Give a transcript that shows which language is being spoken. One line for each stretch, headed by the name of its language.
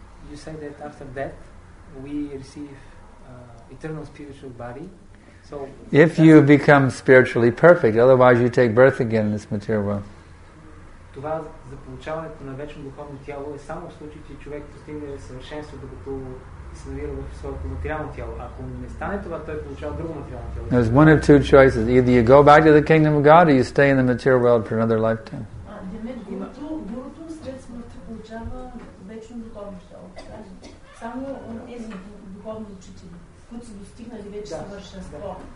English: You say that after death we receive eternal spiritual body. So, if you become spiritually perfect, otherwise you take birth again in this material world.
Bulgarian: Това за получаването на вечно духовно тяло е само в случай, че човек постигне съвършенство, докато се намира в своето материално тяло. Ако не стане това, той получава друго материално тяло.
English: There's one of two choices. Either you go back to the kingdom of God or you stay in the material world for another lifetime.
Bulgarian: Гуруто след смъртта получава вечно духовно тяло. Само тези духовни учители. Които са достигнали вече съвършенство.